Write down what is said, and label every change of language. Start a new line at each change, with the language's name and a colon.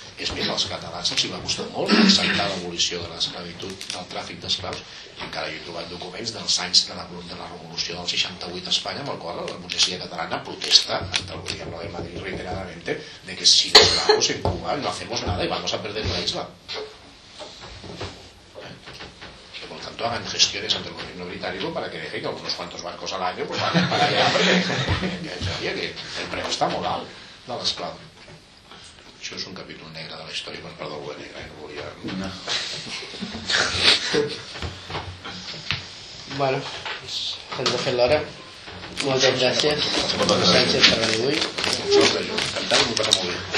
Catalan: És més, als catalans els va costar molt acceptar l'abolició de l'esclavitud, del tràfic d'esclaus. Encara hi he trobat documents dels anys de la revolució del 68 a Espanya, amb el qual la burgesia catalana protesta entre el gobierno de Madrid reiteradament de que
Spanish: si desplaçamos en Cuba no hacemos nada y vamos a perder la isla. Hagan gestiones ante el gobierno británico para que deje que algunos cuantos barcos al año pues vayan para allá, porque
Catalan: el preu està molt alt de l'esclau. Això és un capítol negre de la història, però perdó, el negre, no volia... No. Bueno, hem de fer l'hora. Moltes gràcies. Moltes gràcies per venir avui. Moltes gràcies. Encantat, m'ho passa molt bé.